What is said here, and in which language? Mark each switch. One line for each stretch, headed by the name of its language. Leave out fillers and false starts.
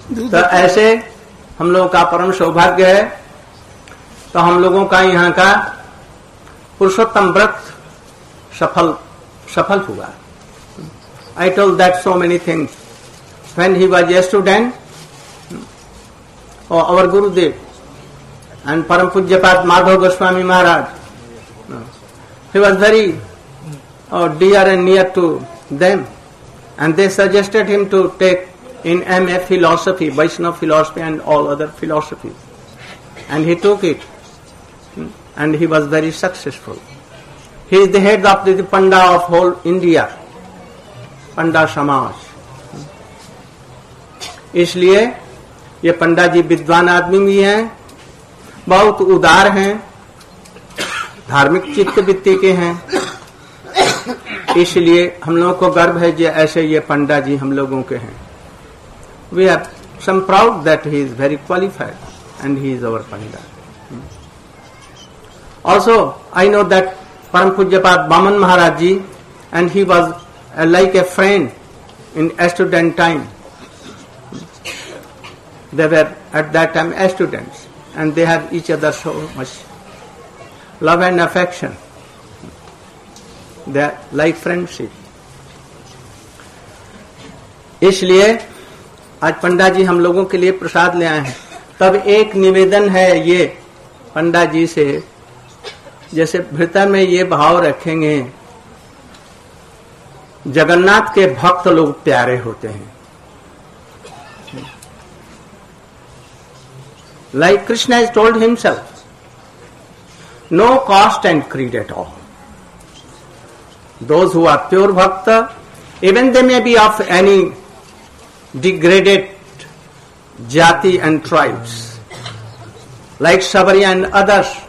Hindi: तो ऐसे हम लोगों का परम सौभाग्य है तो हम लोगों का यहाँ का पुरुषोत्तम व्रत सफल हुआ
English: I told that so many things when he was a student
Hindi: our Gurudev and परम पूज्यपाद माधव गोस्वामी महाराज
English: He was very or dear and near to them. And they suggested him to take in M.A. philosophy, Vaishnava philosophy and all other philosophies. And he took it. And he was very successful. He is the head of the Panda of whole India, Panda Samaj.
Hindi: इसलिए ये पंडा जी विद्वान आदमी भी हैं, बहुत उदार हैं, धार्मिक चित्त वृत्ति के हैं, इसलिए हम लोगों को गर्व है जो ऐसे ये पंडा जी हम लोगों के हैं.
English: We are some proud that he is very qualified and he is our panda. Also I know that Param Pujyapad Baman Maharaj ji and he was like a friend in student time. They were at that time as students and they had each other so much love and affection. Their life friendship.
Hindi: इसलिए आज पंडा जी हम लोगों के लिए प्रसाद ले आए हैं. तब एक निवेदन है ये पंडा जी से, जैसे भीतर में ये भाव रखेंगे, जगन्नाथ के भक्त लोग प्यारे होते हैं.
English: Like Krishna has told himself, no caste and creed at all. Those who are pure bhakta, even they may be of any degraded jati and tribes, like Shabariya and others.